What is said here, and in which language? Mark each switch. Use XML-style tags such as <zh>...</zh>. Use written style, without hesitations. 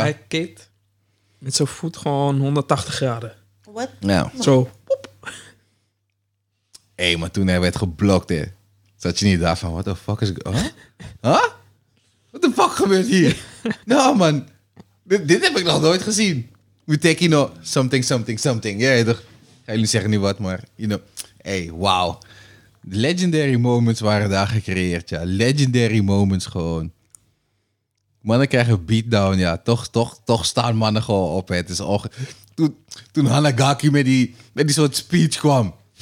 <nl>Hij kickt met zijn voet gewoon 180 graden. Wat? Ja. Zo. Hé, hey, maar toen hij werd geblokt, hè. Zat je niet daarvan,</nl> <en>what the fuck is...</en> <nl>Huh?</nl> <en>What the fuck</en> <nl>gebeurt hier? Nou, man. Dit heb ik nog nooit gezien.</nl> <en>We take, you know, something.</en> <nl>Ja, toch? Jullie zeggen niet wat, maar,</nl> <en>you know.</en> <nl>Hey, wauw.</nl> <en>Legendary moments</en> <nl>waren daar gecreëerd, ja.</nl> <en>Legendary moments</en> <nl>gewoon. Mannen krijgen beatdown, ja. Toch staan mannen gewoon op. Hè. Het is toen Hanagaki met die soort speech kwam.</nl>